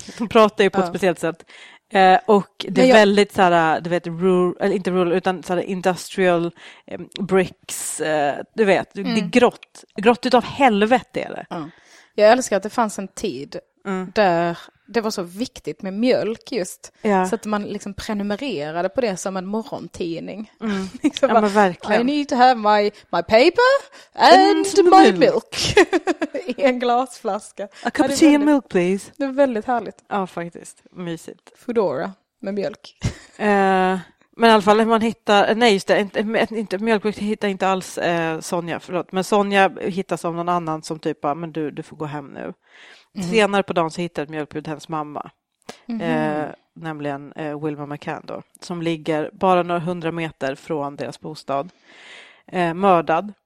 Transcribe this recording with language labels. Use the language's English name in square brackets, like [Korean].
[Swedish] De pratar ju på ett speciellt sätt. Och det är väldigt så här, du vet, rural, inte rural, utan så här [English] industrial bricks, [Swedish] du vet, det är grått. Grått utav helvete är det. Mm. Jag älskar att det fanns en tid där det var så viktigt med mjölk just. Ja. Så att man liksom prenumererade på det som en morgontidning. Mm. Ja, men verkligen. [English] I need to have my paper and my milk. [Swedish] I en glasflaska. [English] A cup of tea and milk, please. [Swedish] Det var väldigt härligt. Ja, faktiskt. Mysigt. Fedora med mjölk. Men i alla fall, man hittar, nej just det, inte, mjölkbruk hittar inte alls Sonja, förlåt. Men Sonja hittas av någon annan som typ, men du får gå hem nu. Mm. Senare på dagen så hittar ett mjölkbud hennes mamma, nämligen Wilma McCann då, som ligger bara några 100 meter från deras bostad, mördad.